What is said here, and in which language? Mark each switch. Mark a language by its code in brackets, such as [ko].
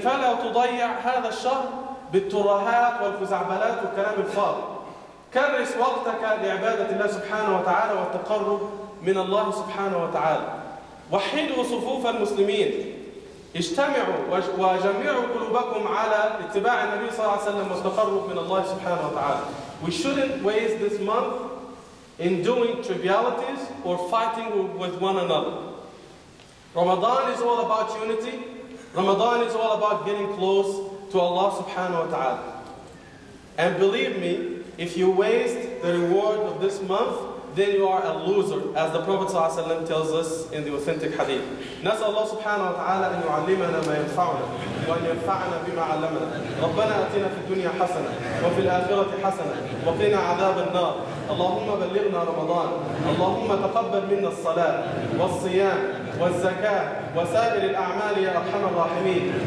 [ar] فلا تضيع هذا الشهر بالترهات والفزعبلات والكلام الفاضي. كرس وقتك لعبادة الله سبحانه وتعالى والتقرب من الله سبحانه وتعالى. وحدوا صفوف المسلمين، اجتمعوا وجمعوا قلوبكم على اتباع النبي صلى الله عليه وسلم والتقرب من الله سبحانه وتعالى. [en] We shouldn't waste this month in doing trivialities or fighting with one another. Ramadan is all about unity. Ramadan is all about getting close to Allah subhanahu وتعالى. And believe me, if you waste the reward of this month, then you are a loser, as the Prophet ﷺ tells us in the authentic hadith. [ar] نسأل الله سبحانه وتعالى أن يعلمنا ما ينفعنا وأن ينفعنا بما علمنا. ربنا أتنا في الدنيا حسنة وفي الآخرة حسنة وقنا عذاب النار. اللهم بلغنا رمضان. اللهم تقبل منا الصلاة والصيام والزكاة وسائر الأعمال يا أرحم الراحمين.